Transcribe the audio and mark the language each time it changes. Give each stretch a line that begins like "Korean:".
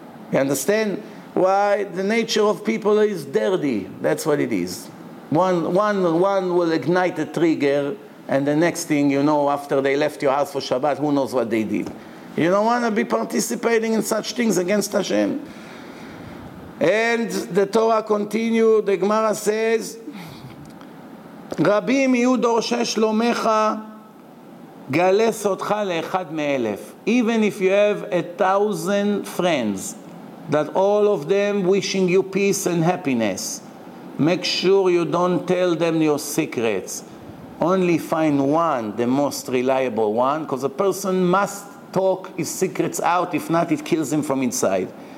English: You understand why the nature of people is dirty? That's what it is. One will ignite the trigger, and the next thing you know, after they left your house for Shabbat, who knows what they did. You don't want to be participating in such things against Hashem. And the Torah continues, the Gemara says,
Hebrew: רבים יהיו דורשי שלומך, גלס אותך לאחד מאלף.
English: Even if you have 1,000 friends, that all of them wishing you peace and happiness, make sure you don't tell them your secrets. Only find one, the most reliable one, because a person must talk his secrets out, if not it kills him from inside.